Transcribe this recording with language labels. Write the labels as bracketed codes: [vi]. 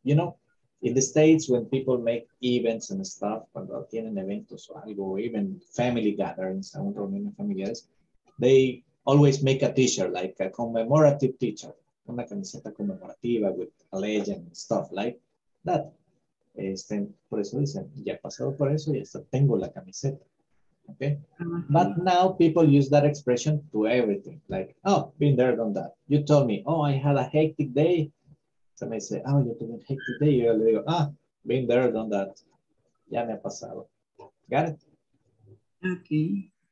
[en] You know, in the States, when people make events and stuff, [es] cuando tienen eventos o algo, [en] even family gatherings, I don't remember familiares, they always make a t-shirt, like a commemorative t-shirt, [es] una camiseta conmemorativa [en] with a legend and stuff like that. [es] Este, por eso dicen, ya he pasado por eso y hasta tengo la camiseta. [en] Okay? Mm-hmm. But now people use that expression to everything, like, oh, been there, done that. You told me, oh, I had a hectic day. Somebody say, oh, you told me hectic day. [es] Yo le digo, ah, [en] been there, done that. [es] Ya me ha pasado. Got it? [en] Okay.